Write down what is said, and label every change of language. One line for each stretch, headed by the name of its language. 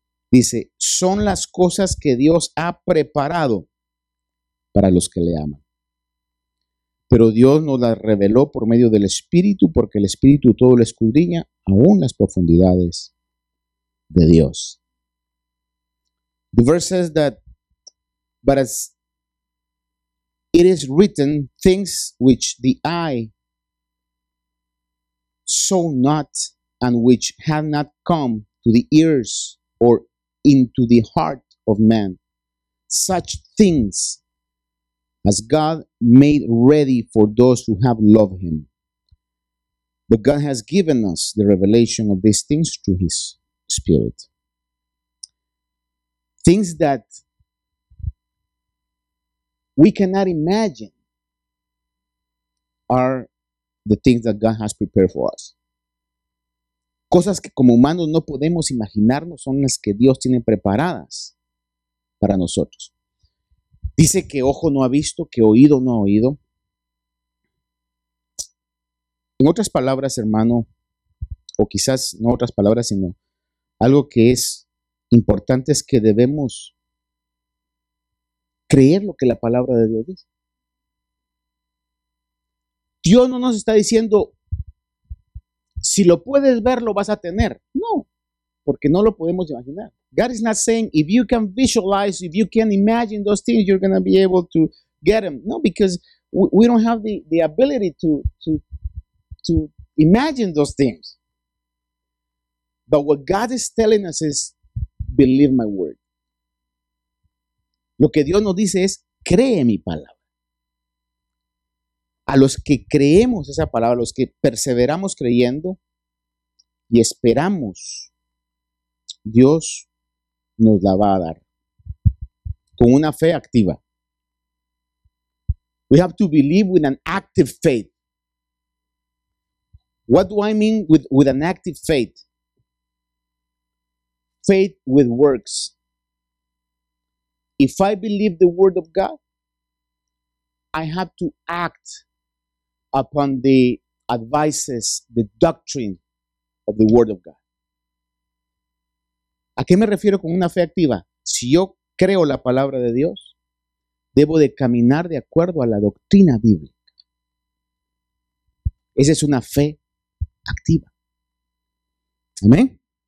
Spanish: Dice, son las cosas que Dios ha preparado para los que le aman. Pero Dios nos las reveló por medio del Espíritu, porque el Espíritu todo lo escudriña, aún las profundidades de Dios.
English: The verse says that, but as it is written, things which the eye saw not, and which have not come to the ears or into the heart of man, such things as God made ready for those who have loved him. But God has given us the revelation of these things through his Spirit. Things that we cannot imagine are the things that God has prepared for us.
Spanish: Cosas que como humanos no podemos imaginarnos son las que Dios tiene preparadas para nosotros. Dice que ojo no ha visto, que oído no ha oído. En otras palabras, hermano, o quizás no otras palabras, sino algo que es importante, es que debemos creer lo que la palabra de Dios dice. Dios no nos está diciendo, si lo puedes ver, lo vas a tener. No, porque no lo podemos imaginar.
English: God is not saying, if you can visualize, if you can imagine those things, you're going to be able to get them. No, because we don't have the ability to imagine those things. But what God is telling us is, believe my word.
Spanish: Lo que Dios nos dice es, cree mi palabra. A los que creemos esa palabra, a los que perseveramos creyendo y esperamos, Dios nos la va a dar con una fe activa.
English: We have to believe with an active faith. What do I mean with an active faith? Faith with works. If I believe the word of God, I have to act upon the advices, the doctrine of the Word of God.
Spanish: ¿A qué me refiero con una fe activa? Si yo creo la palabra de Dios, debo de caminar de acuerdo a la doctrina bíblica. Esa es una fe activa. ¿Amén?